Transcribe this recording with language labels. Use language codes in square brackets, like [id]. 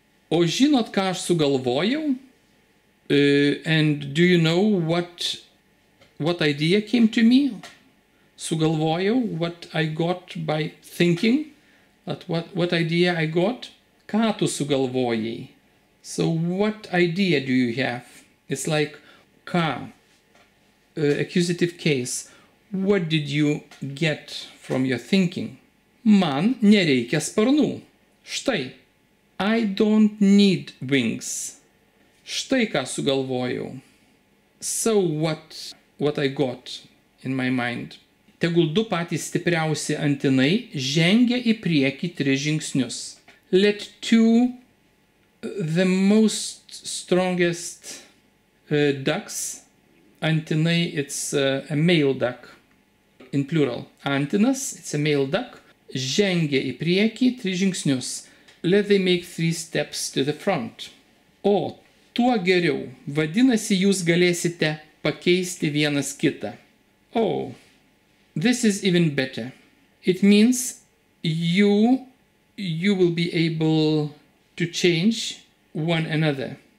[lt] O žinot, ką aš sugalvojau? [en] And do you know what idea came to me? Sugalvojau, what I got by thinking? What idea I got? [lt] Ką tu sugalvojai? [en] So what idea do you have? It's like ką, accusative case. What did you get from your thinking? [lt] Man nereikia sparnų. [en] Štai, I don't need wings. [lt] Štai ką sugalvojau. [en] So what I got in my mind. [lt] Tegul du patys stipriausi antinai žengia į priekį tris žingsnius. [en] Let two the most strongest ducks. Antinai, it's a male duck. In plural. Antinas, it's a male duck. [lt] Žengia į priekį tris žingsnius. [en] Let them make three steps to the front. [lt] O, tuo geriau. Vadinasi, jūs galėsite pakeisti vienas kitą. [en] Oh, this is even better. It means you will be able to change one another.